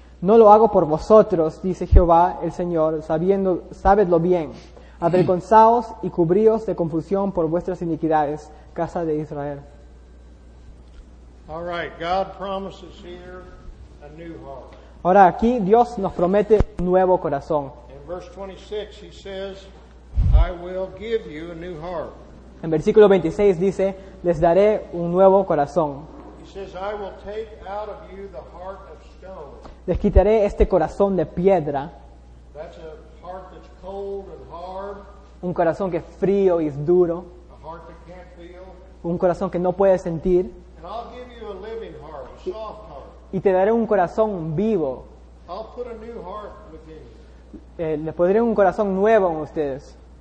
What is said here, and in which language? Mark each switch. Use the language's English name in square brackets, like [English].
[Spanish] No lo hago por vosotros, dice Jehová el Señor, sabedlo bien. Avergonzaos y cubríos de confusión por vuestras iniquidades, casa de Israel. [English] All right, God promises here a new heart. [Spanish] Ahora aquí Dios nos promete un nuevo corazón. [English] Verse 26, he says, I will give you a new heart. [Spanish] En versículo 26 dice, les daré un nuevo corazón. [English] He says, I will take out of you the heart of stone. [Spanish] Les quitaré este corazón de piedra. [English] That's a heart that's cold and hard. [Spanish] Un corazón que es frío y es duro. [English] A heart that can't feel. [Spanish] Un corazón que no puede sentir. [English] And I'll give you a living heart, a soft heart. [Spanish] Y te daré un corazón vivo. [English] I'll put a new heart within you. [Spanish] Le pondré un corazón nuevo en ustedes.